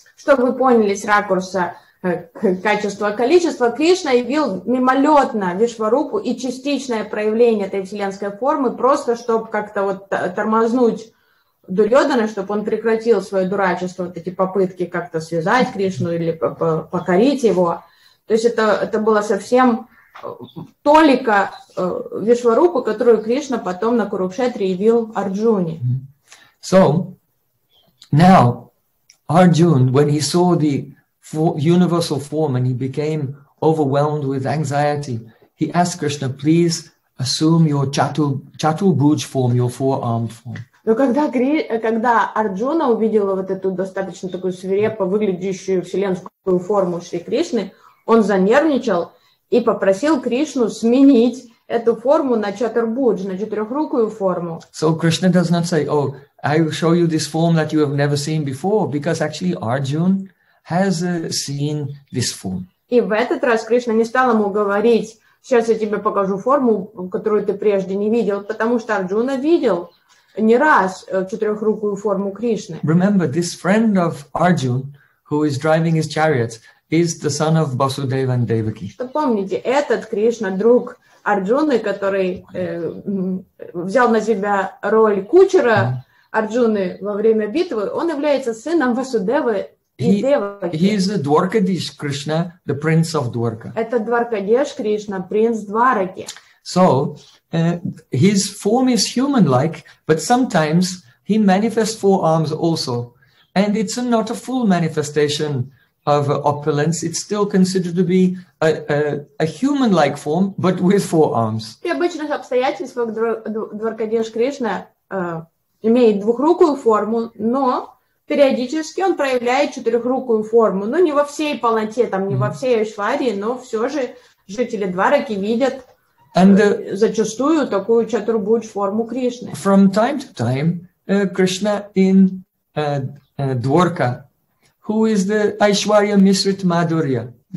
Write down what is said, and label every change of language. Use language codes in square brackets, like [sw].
[ru] Чтобы вы поняли с ракурса качества количества, Кришна явил мимолетно Вишварупу и частичное проявление этой вселенской формы, просто чтобы как-то вот тормознуть Дурьодана, чтобы он прекратил свое дурачество, вот эти попытки как-то связать Кришну или покорить его. То есть это было совсем толика Вишварупу, которую Кришна потом на Курукшетре явил Арджуне. [en] So, now, Arjun, when he saw the universal form and he became overwhelmed with anxiety, he asked Krishna, please assume your chatubhuj form, your four-armed form. [ru] Но когда Арджуна увидела вот эту достаточно такую свирепо выглядящую вселенскую форму Шри Кришны, он занервничал и попросил Кришну сменить эту форму на чатурбудж, на четырехрукую форму. [en] So Krishna does not say, oh, I will show you this form that you have never seen before, because actually Arjun has seen this form. [ru] И в этот раз Кришна не стал ему говорить, сейчас я тебе покажу форму, которую ты прежде не видел, потому что Арджуна видел не раз четырехрукую форму Кришны. [en] Remember, this friend of Arjun, who is driving his chariot, is the son of Vasudeva and Devaki. [ru] Помните, этот Кришна, друг Арджуны, который взял на себя роль кучера Арджуны во время битвы, он является сыном Васудевы и Девы. [en] He is a Dwarkadish Krishna, the prince of Dwarka. [ru] Это Дваркадеш Кришна, принц Двараки. [en] So, his form is human-like, but sometimes he manifests four arms also. And it's not a full manifestation of opulence, it's still considered to be a human-like form, but with four arms. [ru] При обычных обстоятельствах Дваркадеш Кришна имеет двухрукую форму, но периодически он проявляет четырехрукую форму. Ну, не во всей полноте, там, не во всей Айшварии, но все же жители Двараки видят зачастую такую чатурбудж форму Кришны. [en] From time to time, Krishna in Dwarka, who is the Aishwarya Misrit Madhurya.